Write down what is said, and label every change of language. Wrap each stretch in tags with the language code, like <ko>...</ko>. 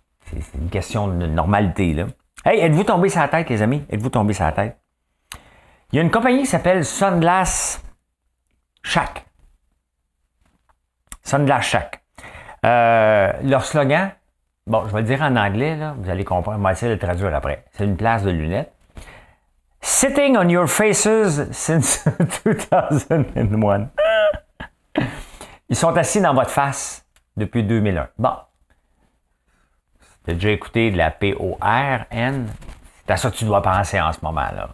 <fr>C'est une question de normalité, là. Hey, êtes-vous tombé sur la tête, les amis? Êtes-vous tombé sur la tête? Il y a une compagnie qui s'appelle Sunglass Shack. Sunglass Shack. Leur slogan, bon, je vais le dire en anglais, là. Vous allez comprendre. Moi, je vais essayer de le traduire après. C'est une place de lunettes.</fr> <en>Sitting on your faces since 2001.</en> <fr>Ils sont assis dans votre face depuis 2001. Bon. T'as déjà écouté de la PORN? C'est à ça que tu dois penser en ce moment, là.</fr>